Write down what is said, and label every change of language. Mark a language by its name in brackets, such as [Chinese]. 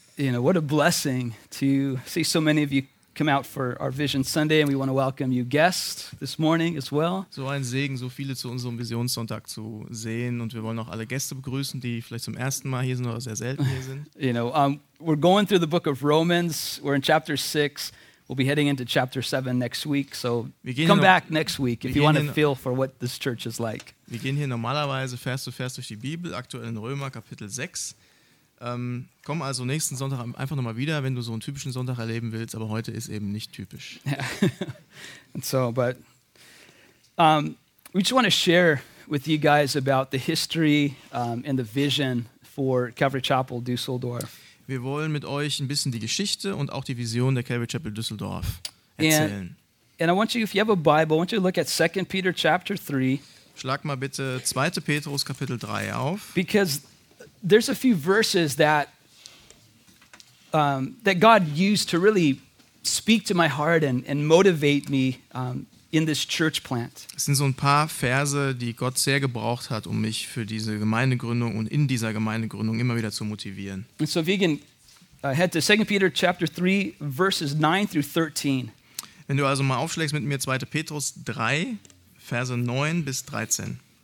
[English] You know, what a blessing to see so many of you come out for our Vision Sunday, and we want to welcome you guests this morning as well. [German] So ein Segen, so viele zu unserem Visionssonntag zu sehen, und wir wollen auch alle Gäste begrüßen, die vielleicht zum ersten Mal hier sind oder sehr selten hier sind. [English] You know, we're going through the book of Romans. We're in chapter 6. We'll be heading into chapter 7 next week. So come back next week if you want to feel for what this church is like. [German] Wir gehen hier normalerweise Vers zu Vers durch die Bibel, aktuell in Römer Kapitel 6. Komm also nächsten Sonntag einfach nochmal wieder, wenn du so einen typischen Sonntag erleben willst, aber heute ist eben nicht typisch. [English] And so, but we just want to share with you guys about the history and the vision for Calvary Chapel Düsseldorf. [German] Wir wollen mit euch ein bisschen die Geschichte und auch die Vision der Calvary Chapel Düsseldorf erzählen. [English] And I want you, if you have a Bible, I want you to look at 2 Peter chapter 3. [German] Schlag mal bitte 2. Petrus Kapitel 3 auf. [English] Because there's a few verses that that God used to really speak to my heart and motivate me in this church plant. [German] Es sind so ein paar Verse, die Gott sehr gebraucht hat, um mich für diese Gemeindegründung und in dieser Gemeindegründung immer wieder zu motivieren. [English] And so if you can head to 2 Peter chapter 3 verses 9 through 13. [German] Wenn du also mal aufschlägst mit mir 2. Petrus 3 Verse 9 bis 13.